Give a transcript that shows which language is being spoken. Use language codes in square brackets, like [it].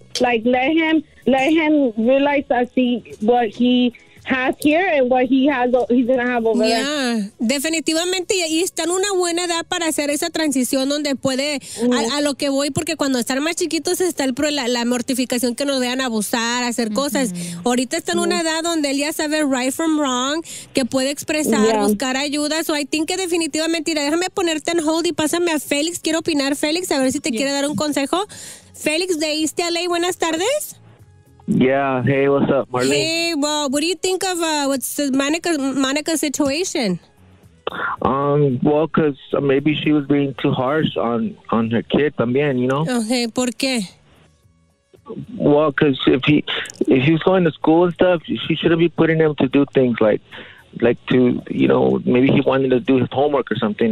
[en] Like, let him realize así what he has here and what he has, he's gonna have over there. Yeah, [es] definitivamente. Y está en una buena edad para hacer esa transición donde puede, a lo que voy, porque cuando están más chiquitos está la mortificación que nos vean abusar, hacer cosas. Ahorita está en una edad donde él ya sabe [en] right from wrong, [es] que puede expresar, buscar ayuda. [en] So I think [es] que definitivamente, mira, déjame ponerte en hold y pásame a Félix. Quiero opinar, Félix, a ver si te quiere dar un consejo. Félix de East LA, buenas tardes. [en] Yeah, hey, what's up, Marlene? Hey, well, what do you think of what's the Monica's situation? Well, because maybe she was being too harsh on her kid también, you know? [es] Okay, ¿por qué? [en] Well, because if he's going to school and stuff, she shouldn't be putting him to do things like to, you know, maybe he wanted to do his homework or something.